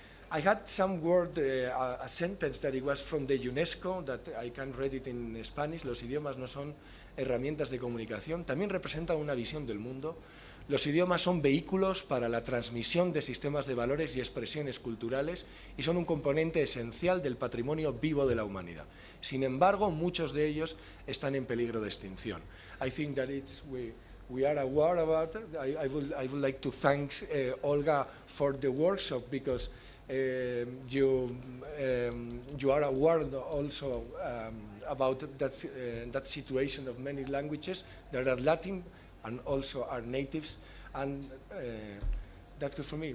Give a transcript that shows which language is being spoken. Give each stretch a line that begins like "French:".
English: I had some word, a sentence that it was from the UNESCO, that I can read it in Spanish.
Spanish: Los idiomas no son herramientas de comunicación, también representan una visión del mundo. Los idiomas son vehículos para la transmisión de sistemas de valores y expresiones culturales y son un componente esencial del patrimonio vivo de la humanidad. Sin embargo, muchos de ellos están en peligro de extinción.
English: I think that it's we are aware about it. I would like to thank Olga for the workshop, because you are aware also about that situation of many languages that are Latin and also are natives, and that's good for me.